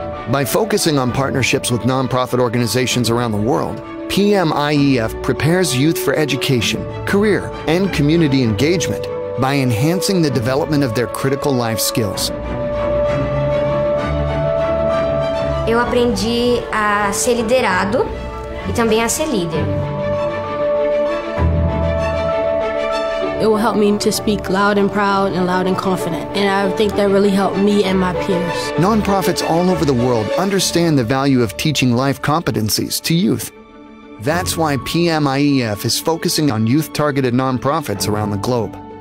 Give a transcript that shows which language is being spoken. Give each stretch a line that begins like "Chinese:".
English: By focusing on partnerships with nonprofit organizations around the world, PMIEF prepares youth for education, career, and community engagement by enhancing the development of their critical life skills.
Portuguese: Eu aprendi a ser liderado e também a ser líder.
English: It will help me to speak loud and proud and loud and confident. And I think that really helped me and my peers. Nonprofits all over the world understand the value of teaching life competencies to youth. That's why PMIEF is focusing on youth-targeted nonprofits around the globe.